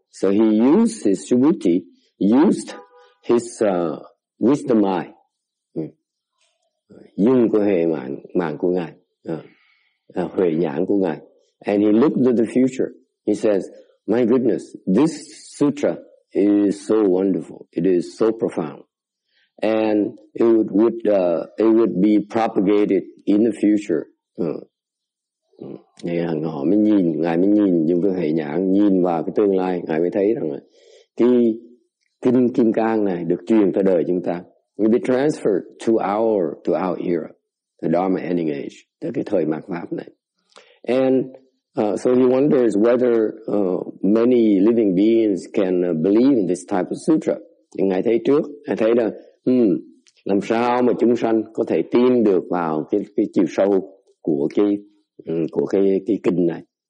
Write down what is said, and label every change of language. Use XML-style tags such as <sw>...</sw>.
<en>So he used his subhuti, used his wisdom eye.</en> <vi>Dùng cái huệ mạng của ngài, huệ nhãn của ngài.</vi> <en>And he looked to the future. He says, my goodness, this sutra is so wonderful. It is so profound. And it would be propagated in the future.</en> <vi>Ngài mới nhìn dùng cái hệ nhãn nhìn vào cái tương lai, ngài mới thấy rằng là cái kinh Kim Cang này được truyền tới đời chúng ta,</vi> <en>will be transferred to our era, the Dharma ending age,</en> <vi>tới cái thời mạt pháp này.</vi> <en>And so he wonders whether many living beings can believe in this type of sutra.</en> <vi>Ngài thấy trước, ngài thấy là làm sao mà chúng sanh có thể tin được vào cái chiều sâu của cái kinh này.</vi>